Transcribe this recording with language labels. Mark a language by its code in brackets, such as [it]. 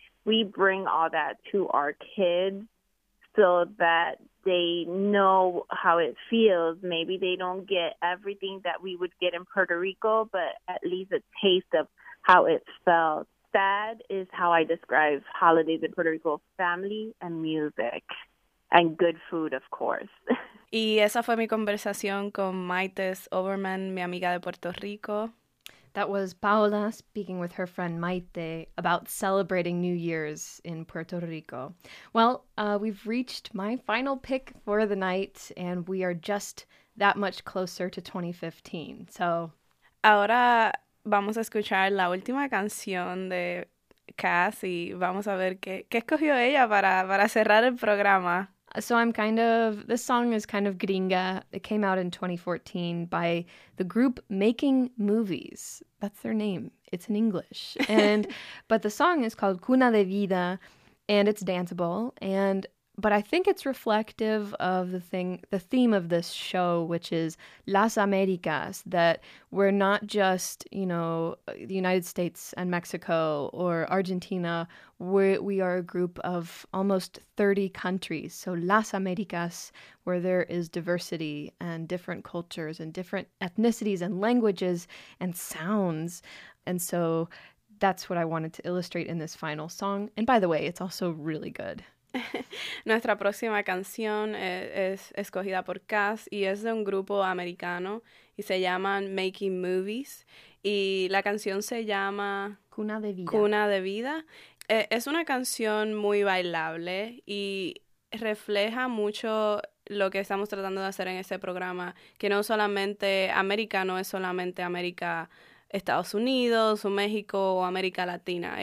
[en] We bring all that to our kids so that they know how it feels. Maybe they don't get everything that we would get in Puerto Rico, but at least a taste of how it felt. That is how I describe holidays in Puerto Rico: family and music and good food, of course. [es] Y esa fue mi conversación con Maites Overman, mi amiga de Puerto Rico. [en] That was Paola speaking with her friend Maite about celebrating New Year's in Puerto Rico. Well, we've reached my final pick for the night, and we are just that much closer to 2015. So, [es] ahora vamos a escuchar la última canción de Cass y vamos a ver qué escogió ella para cerrar el programa. [en] So I'm kind of, this song is kind of gringa. It came out in 2014 by the group Making Movies. That's their name. It's in English. And but the song is called Cuna de Vida, and it's danceable. But I think it's reflective of the theme of this show, which is Las Americas, that we're not just, you know, the United States and Mexico or Argentina. We are a group of almost 30 countries. So Las Americas, where there is diversity and different cultures and different ethnicities and languages and sounds. And so that's what I wanted to illustrate in this final song. And by the way, it's also really good. [es] Nuestra próxima canción es escogida por Cass y es de un grupo americano y se llaman Making Movies y la canción se llama Cuna de Vida. Cuna de Vida. Es una canción muy bailable y refleja mucho lo que estamos tratando de hacer en este programa, que no solamente América, no es solamente América Estados Unidos, México o América Latina.